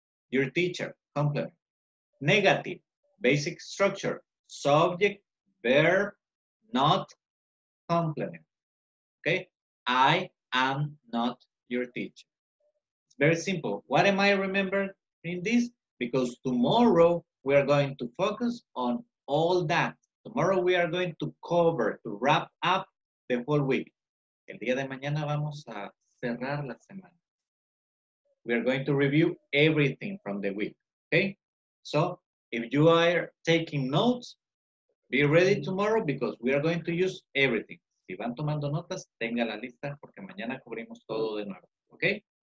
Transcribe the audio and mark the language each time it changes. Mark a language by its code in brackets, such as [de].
[en] your teacher, complement. Negative, basic structure, subject, verb, not, complement. Okay, I am not your teacher. It's very simple. What am I remembering in this? Because tomorrow we are going to focus on all that. Tomorrow we are going to cover, to wrap up the whole week. [es] El día de mañana vamos a cerrar la semana. [en] We are going to review everything from the week, okay? So if you are taking notes, be ready tomorrow because we are going to use everything. [es] Si van tomando notas, tenga la lista porque mañana cubrimos todo de nuevo, okay?